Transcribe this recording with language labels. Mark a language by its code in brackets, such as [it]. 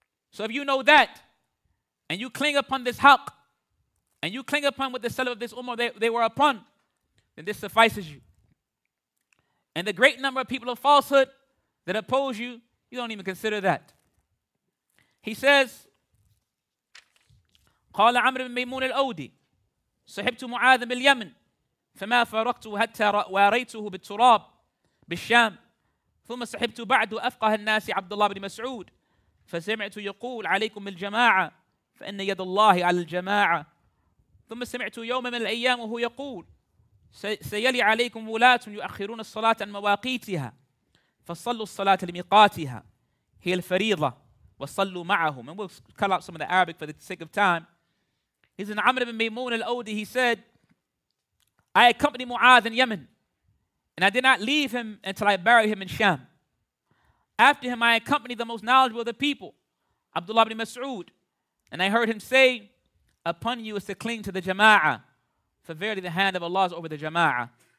[en] So if you know that, and you cling upon this haqq, and you cling upon what the salaf of this ummah they were upon, then this suffices you. And the great number of people of falsehood that oppose you, you don't even consider that. He says, [ar] قال عمرو بن ميمون الأودي صحبت معاذ بن اليمن فما فارقته حتى واريته بالتراب بالشام ثم صحبت بعده أفقه الناس عبد الله بن مسعود فسمعت يقول عليكم الجماعة فإن يد الله على الجماعة ثم سمعت يوم من الأيام وهو يقول سيلي عليكم ولاة يؤخرون الصلاة عن مواقيتها فصلوا الصلاة لميقاتها هي الفريضة وصلوا معهم. [en] And we'll cut out some of the Arabic for the sake of time. He's in Amr ibn Maymun al-Awdi. He said, I accompanied Mu'adh in Yemen and I did not leave him until I buried him in Sham. After him, I accompanied the most knowledgeable of the people, Abdullah ibn Mas'ud, and I heard him say, upon you is to cling to the Jama'ah, for verily the hand of Allah is over the Jama'ah.